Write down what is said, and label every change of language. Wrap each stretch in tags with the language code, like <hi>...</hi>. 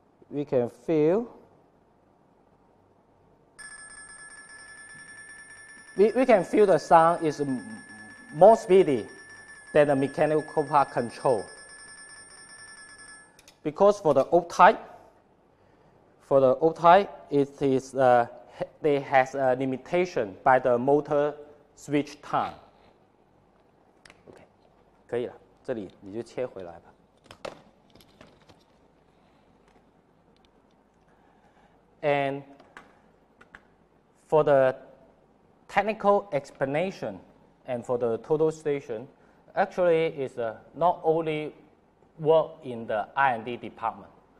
<en>we can feel, we can feel the sound is more speedy than the mechanical part control. Because for the old type, it is they has a limitation by the motor switch time.</en> <zh>OK, 可以了, 这里你就切回来吧。</zh> <en>And for the technical explanation and for the total station, actually is not only work in the R&D department.</en>